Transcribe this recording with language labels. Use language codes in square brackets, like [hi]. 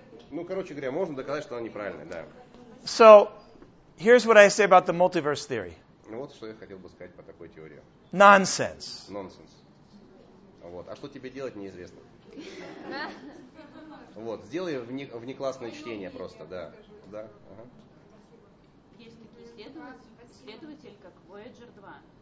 [ru] Ну, короче говоря, можно доказать, что она неправильная, да. [en] So, here's what I say about the multiverse theory. [ru] Ну, вот что я хотел бы сказать по такой теории. [en] Nonsense. Nonsense. [ru] Вот. А что тебе делать, неизвестно. Вот, сделай внеклассное чтение просто, да. Да. Есть такие исследователи, как Voyager 2.